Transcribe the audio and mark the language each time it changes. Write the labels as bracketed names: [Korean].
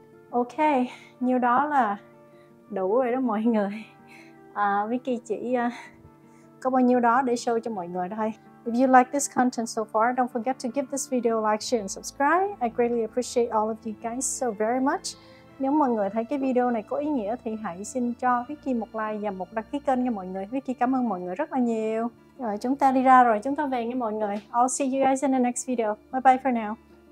[Vietnamese] Okay, nhiêu đó là đủ rồi đó mọi người. Vicky chỉ có bao nhiêu đó để show cho mọi người thôi. [English] If you like this content so far, don't forget to give this video a like, share and subscribe. I greatly appreciate all of you guys so very much. [Vietnamese] Nếu mọi người thấy cái video này có ý nghĩa thì hãy xin cho Vicky một like và một đăng ký kênh nha mọi người. Vicky cảm ơn mọi người rất là nhiều. Rồi chúng ta đi ra rồi, chúng ta về nha mọi người. [English] I'll see you guys in the next video. Bye bye for now.